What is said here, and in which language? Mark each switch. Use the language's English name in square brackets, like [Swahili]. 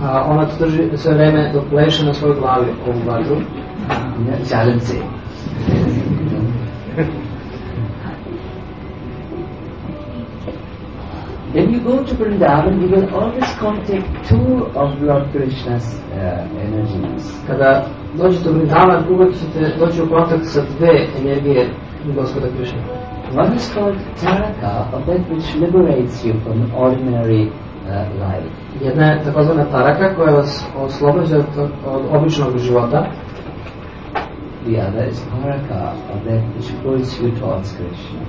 [Serbian] Ona to drži sve vreme dok pleše na svoj glavi ovu vatru. [English] Challenge. When you go to Vrindavan, you will always contact two of Lord Krishna's energies. [Serbian] Kada dođete u Vrindavan, uvek ćete doći u kontakt sa dve energije Gospoda Krishna. [English] One is called Taraka, of that which liberates you from ordinary life. [Serbian] Jedna je takozvana Taraka koja vas oslobađa od običnog života. [English] the other is paraka, or that which pulls you towards Krishna.